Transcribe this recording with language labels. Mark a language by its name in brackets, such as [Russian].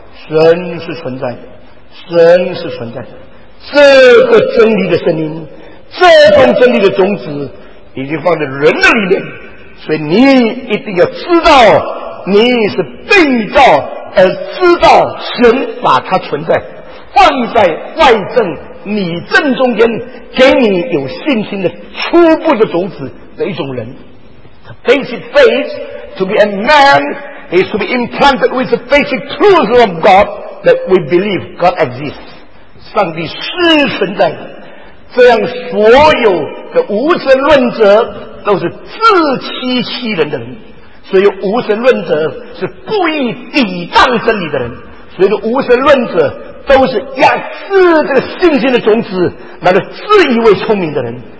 [Chinese] 神是存在的，神是存在的。这个真理的声音，这份真理的种子已经放在人的里面，所以你一定要知道你是被造，而知道神把它存在放在外证你正中间，给你有信心的初步的种子的一种人。 [English] The basic faith to be a man is to be implanted with the basic truth of God that we believe God exists. [Chinese] 上帝是存在的，这样所有的无神论者都是自欺欺人的人。所以无神论者是故意抵挡真理的人，所以无神论者都是压制这个信心的种子，那个自以为聪明的人。